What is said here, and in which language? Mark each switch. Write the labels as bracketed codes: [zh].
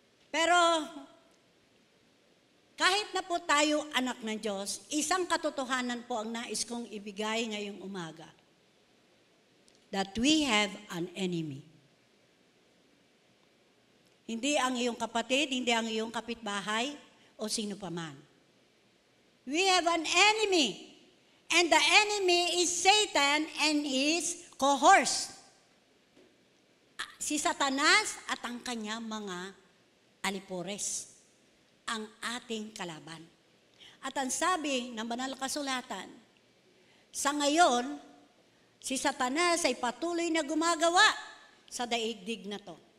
[tl] Pero, kahit na po tayo anak ng Diyos, isang katotohanan po ang nais kong ibigay ngayong umaga. [en] That we have an enemy. [tl] Hindi ang iyong kapatid, hindi ang iyong kapitbahay, o sino pa man. [en] We have an enemy. And the enemy is Satan and his cohorts. [tl] Si Satanas at ang kanyang mga alipores ang ating kalaban. At ang sabi ng banal na kasulatan, sa ngayon, si Satanas ay patuloy na gumagawa sa daigdig na to.